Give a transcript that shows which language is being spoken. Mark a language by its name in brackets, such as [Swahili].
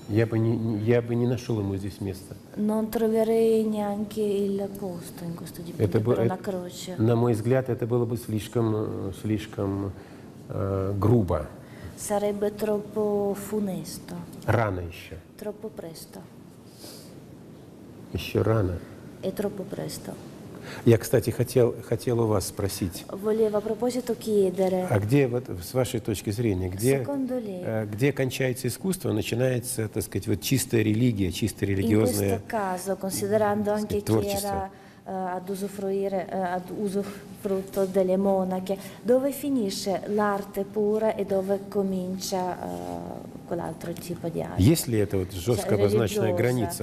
[Russian] Я бы не нашел ему здесь места. [Italian] Non troverei neanche il posto in questo dipinto per una croce. [Russian] На мой взгляд, это было бы слишком грубо. [Italian] Sarebbe troppo funesto. [Russian] Рано еще. [Italian] Troppo presto. [Russian] Еще рано. [Italian] È troppo presto. [Russian] Я, кстати, хотел у вас спросить. [Italian] Volevo a proposito chiedere. [Russian] А где, вот, с вашей точки зрения, где кончается искусство, начинается, так сказать, вот чистая религия, чисто религиозное творчество? [Italian] In questo caso, considerando anche chi era ad usufrutto delle monache, dove finisce l'arte pura e dove comincia quell'altro tipo di arte? [Russian] Есть ли это вот жестко обозначенная граница?